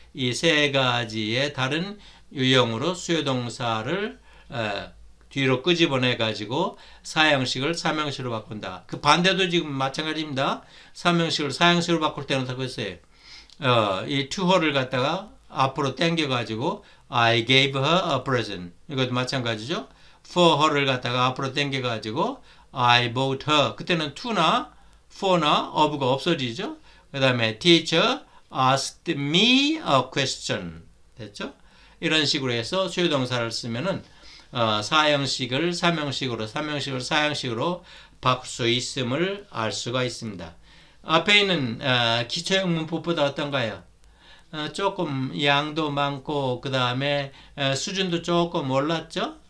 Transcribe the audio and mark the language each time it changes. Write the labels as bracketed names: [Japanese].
[Korean] 이 세 가지의 다른 유형으로 수요동사를 뒤로 끄집어내가지고 사형식을 삼형식으로 바꾼다. 그 반대도 지금 마찬가지입니다. 삼형식을 사형식으로 바꿀 때는 어떻게 했어요? 이 to를 갖다가 앞으로 당겨가지고 [English] I gave her a present. [Korean] 이것도 마찬가지죠? for her를 갖다가 앞으로 당겨가지고 [English] I bought her. [Korean] 그때는 to나 for나 of가 없어지죠. 그 다음에 [English] teacher asked me a question. [Korean] 됐죠? 이런 식으로 해서 수요동사를 쓰면은 사형식을 삼형식으로 삼형식을 사형식으로 바꿀 수 있음을 알 수가 있습니다. 앞에 있는 기초형 문법보다 어떤가요? 조금 양도 많고 그 다음에 수준도 조금 올랐죠?